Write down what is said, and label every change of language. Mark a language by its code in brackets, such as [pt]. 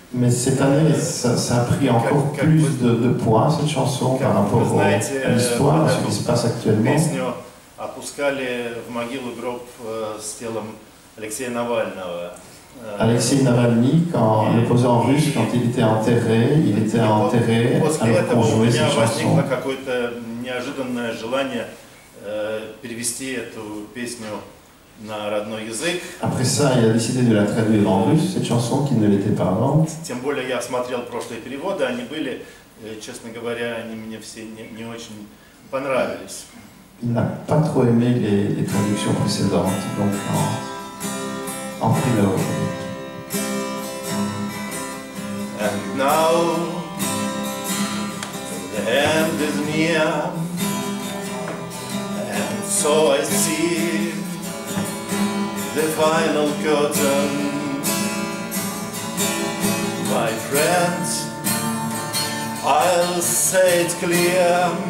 [fr] Mais cette année, ça a pris encore plus de poids cette chanson par rapport à l'histoire, ce qui se passe actuellement. [ru] Опускали в могилу гроб с телом Алексея Навального. [fr] Алексей Навальный, quand le posait en Russie, quand il était enterré, il était enterré alors qu'on jouait cette chanson. [ru] У меня возникло какое-то неожиданное желание перевести эту песню на родной язык. [fr] Après ça, il a décidé de la traduire en russe cette chanson qui ne l'était pas avant. [ru] Тем более я смотрел прошлые переводы, они были, честно говоря, они мне все не очень понравились. [fr] Il n'a pas trop aimé les traductions précédentes, donc en prologue. [en] And now the end is near, and so I see the final curtain, my friend, I'll say it clear.